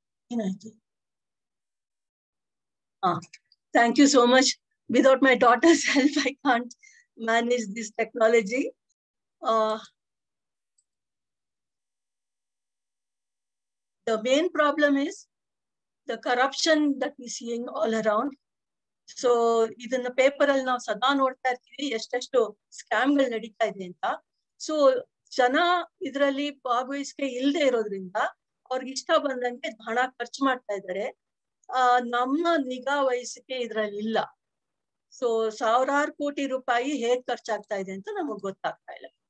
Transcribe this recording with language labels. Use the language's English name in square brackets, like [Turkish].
[Kannada] ಏನಾಯ್ತು? [English] Thank you so much. Without my daughter's help I can't manage this technology. the main problem is the corruption that we're seeing all around. [Kannada] So ಇದನ್ನ paper ಅಲ್ಲಿ ನಾವು ಸದಾ ನೋಡ್ತಾ ಇರ್ತೀವಿ ಎಷ್ಟೆಷ್ಟು scam ಗಳು ನಡೀತಾ ಇದೆ ಅಂತ. ಸೊ ಜನ ಇದರಲ್ಲಿ ಭಾಗವಹಿಸಿಕೆ ಇಲ್ಲದೆ ಇರೋದ್ರಿಂದ ಅವ್ರಿಗೆ ಇಷ್ಟ ಬಂದಂಗೆ ಹಣ ಖರ್ಚು ಮಾಡ್ತಾ ಇದ್ದಾರೆ. ನಮ್ಮ ನಿಗಾ ವಹಿಸಿಕೆ ಇದ್ರಲ್ಲಿ ಇಲ್ಲ. ಸೊ ಸಾವಿರಾರು ಕೋಟಿ ರೂಪಾಯಿ ಹೇಗ್ ಖರ್ಚಾಗ್ತಾ ಇದೆ ಅಂತ ನಮಗ್ ಗೊತ್ತಾಗ್ತಾ ಇಲ್ಲ.